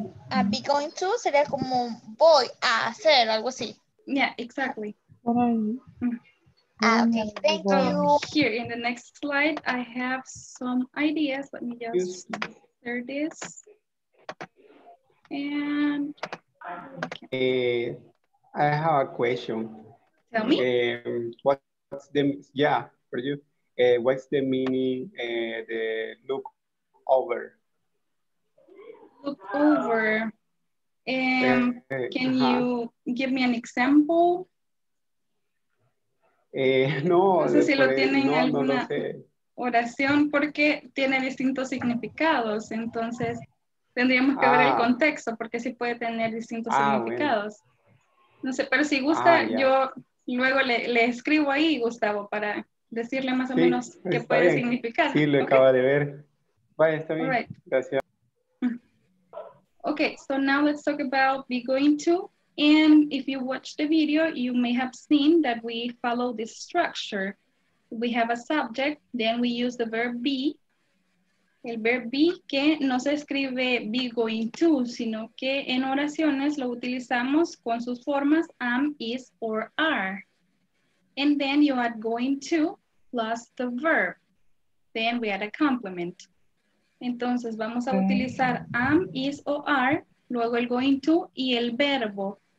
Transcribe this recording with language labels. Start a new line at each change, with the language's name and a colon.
Spanish: A be going to sería como voy a hacer algo así.
English: Yeah, exactly. Okay, thank you. Here in the next slide, I have some ideas. Let me just share this. And I have a question. Tell me. What's the meaning the look over? Look over. Can you give me an example?
Spanish: No sé si lo tienen en alguna oración porque tiene distintos significados. Entonces, tendríamos que ver el contexto porque sí puede tener distintos significados. Bueno. No sé, pero si gusta, yo luego le escribo ahí, Gustavo, para decirle más o menos qué puede significar. Sí, lo acaba de ver. Vaya, está bien. Right. Gracias.
English: Okay, so now let's talk about be going to. And if you watch the video, you may have seen that we follow this structure. We have a subject, then we use the verb be.
Spanish: El verb be que no se escribe be going to, sino que en oraciones lo utilizamos con sus formas am, is, or are.
English: And then you add going to plus the verb. Then we add a complement.
Spanish: Entonces, vamos a utilizar am, is, o are, luego el going to y el verbo.